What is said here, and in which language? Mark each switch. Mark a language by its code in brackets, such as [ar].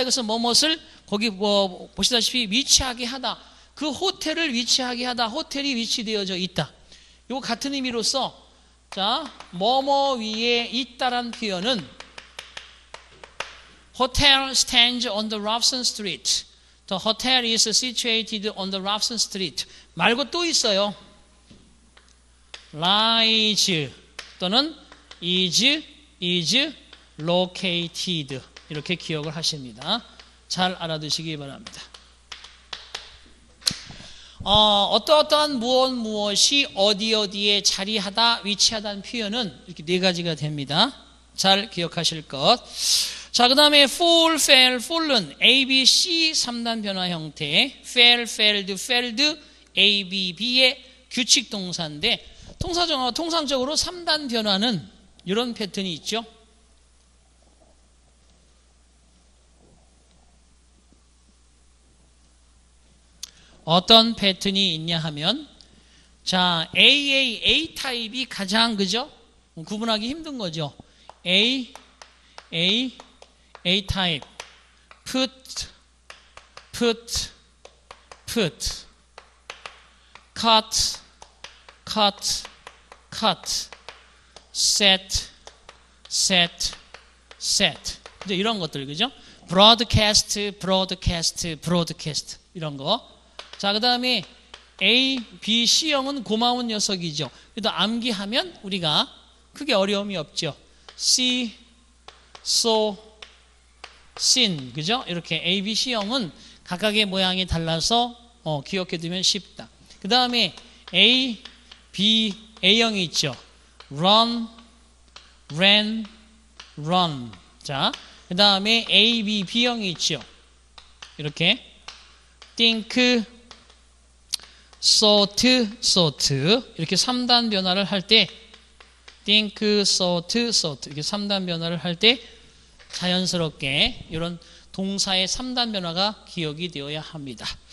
[ko] 이것은 뭐뭇을 거기 뭐 보시다시피 위치하게 하다. 그 호텔을 위치하게 하다. 호텔이 위치되어져 있다. 이거 같은 의미로서 자, 뭐뭐 위에 있다란 표현은 [en] Hotel stands on the Robson Street. The hotel is situated on the Robson Street. [ko] 말고 또 있어요. [en] Lies [ko] 또는 [en] is located. [ko] 이렇게 기억을 하십니다. 잘 알아두시기 바랍니다. 어떠어떠한 무언 무엇이 어디 어디에 자리하다 위치하다는 표현은 이렇게 네 가지가 됩니다. 잘 기억하실 것. 자, 그 다음에 [en] fall, fell, fallen, [ko] ABC 3단 변화 형태 [en] fell, failed, failed, [ko] ABB의 규칙 동사인데 통상적으로 3단 변화는 이런 패턴이 있죠. 어떤 패턴이 있냐 하면 자 AA, A 타입이 가장 그죠? 구분하기 힘든 거죠. [en] A, A, A 타입 put, put, put cut, cut, cut set, set, set [ko] 이제 이런 것들 그죠? [en] broadcast, broadcast, broadcast [ko] 이런 거 자, 그 다음에 A, B, C형은 고마운 녀석이죠. 그래도 암기하면 우리가 크게 어려움이 없죠. [en] See, saw, seen, [ko] 그죠? 이렇게 A, B, C형은 각각의 모양이 달라서 기억해두면 쉽다. 그 다음에 A, B, A형이 있죠. [en] Run, ran, run. [ko] 자, 그 다음에 A, B, B형이 있죠. 이렇게 [en] think, sort, sort [ko] 이렇게 3단 변화를 할 때 think, sort, sort 이렇게 3단 변화를 할 때 자연스럽게 이런 동사의 3단 변화가 기억이 되어야 합니다.